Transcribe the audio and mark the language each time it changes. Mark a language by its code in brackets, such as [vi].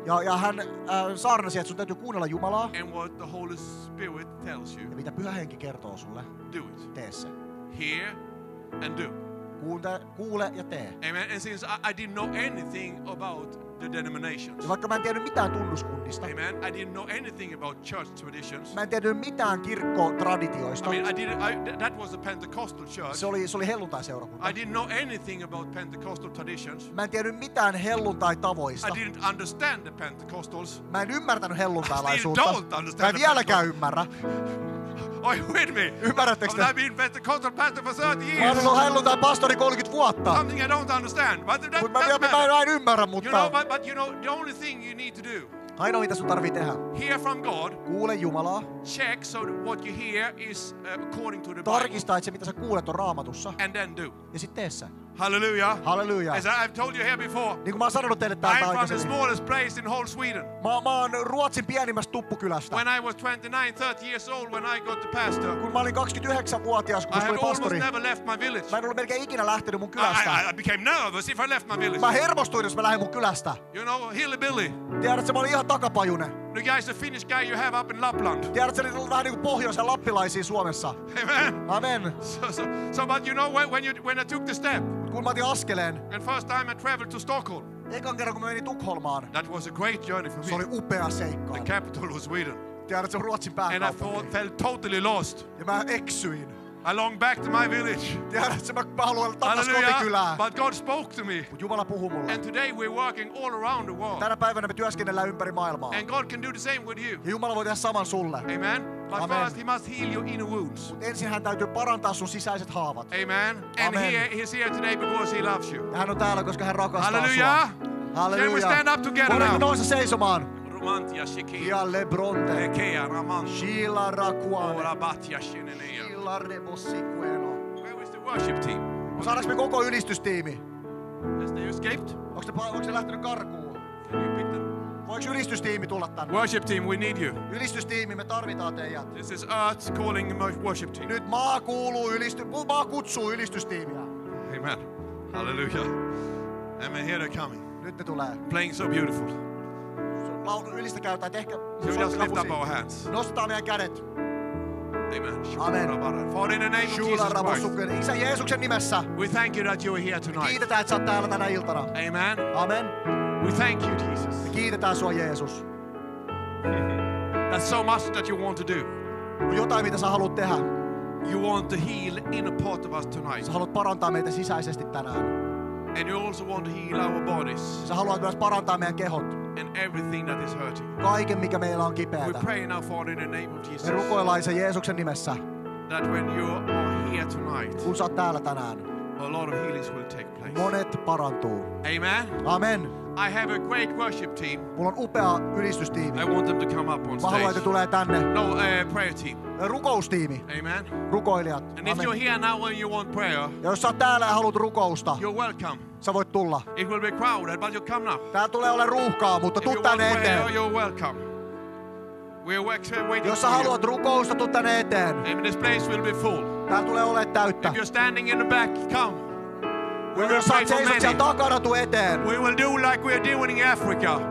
[fi] Ja hän saarnasi, että sun täytyy kuunnella Jumalaa. [en] And what the Holy Spirit tells you. [fi] Ja mitä Pyhä Henki kertoo sulle. [en] Do it. [fi] Tee se. [en] Hear and do. [fi] Kuule ja tee. [en] Amen. And since I didn't know anything about the denominations. [fi] Ja vaikka mä en tiedä mitään tunnuskunnista. Amen. [en] I didn't know anything about church traditions. [fi] Mä en tiedä mitään kirkkotraditioista. [en] I mean, that was a Pentecostal church. [fi] Se oli helluntaiseurakunta. [en] I didn't know anything about Pentecostal traditions. [fi] Mä en tiedä mitään helluntaitavoista. [en] I didn't understand the Pentecostals. [fi] Mä en ymmärtänyt helluntailaisuutta. [en] I still don't understand. [fi] Mä en vieläkään ymmärrä. [en] Are you with me? [fi] Ymmärrättekö te? [en] I've been Pentecostal pastor for 30 years. [fi] Mä oon ollut helluntain pastori 30 vuotta. [en] Something I don't understand. But [fi] mä en ymmärrä, mutta... [en] You know, but you know, the only thing you need to do. [fi] Ainoa, mitä sun tarvii tehdä. [en] Hear from God. [fi] Kuule Jumalaa. [en] Check so what you hear is according to the Bible. [fi] Tarkista, että se, mitä sä kuulet, on Raamatussa. [en] And then do. [fi] Ja sit tee sä. [en] Hallelujah. [fi] Hallelujah. [en] As I've told you here before. [fi] Niin kuin mä oon sanonut teille täältä aikaisemmin. [en] I'm from the smallest place in whole Sweden. [fi] Mä oon Ruotsin pienimmästä tuppukylästä. [en] When I was 29-30 years old when I got the pastor. [fi] Kun mä olin 29-vuotias, kun [en] I [fi] olin pastori. [en] I had never left my village. [fi] Mä en ollut melkein ikinä lähtenyt mun kylästä. [en] I became nervous if I left my village. [fi] Mä hermostuin, jos mä lähdin mun kylästä. [en] You know, hillbilly. [fi] Tiedätkö, mä olin ihan takapajune. [en] The guy is a Finnish guy you have up in Lapland. [fi] Tiedätkö, niin vähän niin kuin pohjoisen lappilaisia Suomessa. [en] Amen. [fi] Amen. [en] So but you know when I took the step. [fi] Kun mä otin askeleen. [en] And first time I traveled to Stockholm. [fi] Ekan kerran kun mä menin Tukholmaan. [en] That was a great journey for me. [fi] Se oli upea seikka. [en] The capital of Sweden. [fi] Tiedätkö, Ruotsin pääkaupunki. [en] And I felt totally lost. [fi] Ja mä eksyin. [en] I long back to my village. [fi] Tiedätkö, mä haluan takas kotikylään. [en] But God spoke to me. [fi] Mut Jumala puhui mulle. [en] And today we're working all around the world. [fi] Tänä päivänä me työskennellään ympäri maailmaa. [en] And God can do the same with you. [fi] Ja Jumala voi tehdä saman sulle. [en] Amen. But [fi] Amen. [en] First he must heal your inner wounds. [fi] Mut ensin hän täytyy parantaa sun sisäiset haavat. [en] Amen. [fi] Amen. [en] And he's here today because he loves you. [fi] Ja hän on täällä, koska hän rakastaa [en] Hallelujah. [fi] Sua. Hallelujah. [en] Can we stand up together [fi] Voidaan [en] now? [fi] Voidaan nousta seisomaan. Romantia shikin. Ja lebronte. Ekea raman. Shila rakuane. Ora batia shinene. [en] Where is the worship team? [fi] Saadaanko me koko ylistystiimi? [en] Has they escaped? [fi] Onko se lähtenyt karkuun? [en] Can you pick them? [fi] Voiko ylistystiimi tulla tänne? [en] Worship team, we need you. [fi] Ylistystiimi, me tarvitaan teidät. [en] This is earth calling my worship team. [fi] Nyt maa kuuluu ylistystiimiä. Maa kutsuu ylistystiimiä. [en] Amen. Hallelujah. Amen. Here they're coming. [fi] Nyt ne tulee. [en] Playing so beautiful. [fi] Laulu ylistä käytetään. Ehkä [en] lift up our hands. [fi] Nostetaan meidän kädet. [en] Amen. For in the name of Jesus Christ. We thank you that you are here tonight. [fi] Kiitetään, että sä oot täällä tänä iltana. [en] Amen. [fi] Amen. [en] We thank you, Jesus. [fi] Kiitetään sua, Jeesus. [en] That's so much that you want to do. [fi] Jotain, mitä sä haluat tehdä. [en] You want to heal in a part of us tonight. [fi] Sä haluat parantaa meitä sisäisesti tänään. [en] And you also want to heal our bodies. [fi] Sä haluat myös parantaa meidän kehot. [en] And everything that is hurting. [fi] Kaiken, mikä meillä on kipeätä. [en] We pray now, Father, in the name of Jesus. [fi] Me rukoillaan sen Jeesuksen nimessä. [en] That when you are here tonight. [fi] Kun sä oot täällä tänään. [en] A lot of healings will take place. [fi] Monet parantuu. [en] Amen. [fi] Amen. [en] I have a great worship team. [fi] Mulla on upea ylistystiimi. [en] I want them to come up on stage. [fi] Mä haluan, että tulee tänne. [en] No, prayer team. [fi] Rukoustiimi. Amen. Rukoilijat. [en] And if you're here now and you want prayer. [fi] Ja jos sä oot täällä ja haluat rukousta. [en] You're welcome. [fi] Sä voit tulla. [en] It will be crowded, but you come now. [fi] Tää tulee ole ruuhkaa, mutta tuu tänne eteen. [en] Prayer, you're welcome. We're waiting for you. [fi] Jos sä haluat rukousta, tuu tänne eteen. [en] Amen. This place will be full. [fi] Tää tulee ole täyttä. [en] If you're standing in the back, come. [fi] Jos sä seisot siellä takana, tuu eteen. [en] We will do like we are doing in Africa.